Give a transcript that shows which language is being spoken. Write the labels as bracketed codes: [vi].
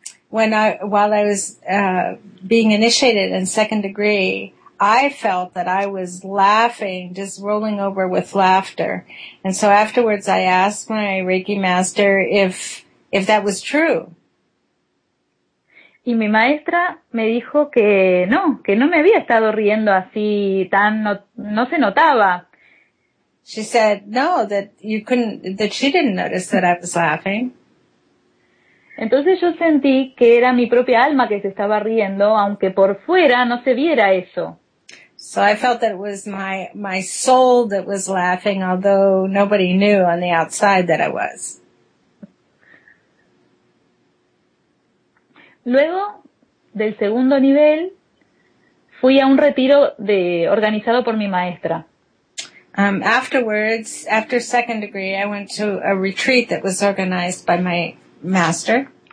[en] While I was being initiated in second degree, I felt that I was laughing, just rolling over with laughter. And so afterwards I asked my Reiki master if that was true. [es] Y mi maestra me dijo que no me había estado riendo así tan, no se notaba. [en] She said, no, that you couldn't, that she didn't notice that I was laughing. [es] Entonces yo sentí que era mi propia alma que se estaba riendo, aunque por fuera no se viera eso. [en] So I felt that it was my soul that was laughing, although nobody knew on the outside that I was. [es] Luego, del segundo nivel, fui a un retiro organizado por mi maestra. [en] Afterwards, after second degree, I went to a retreat that was organized by my master.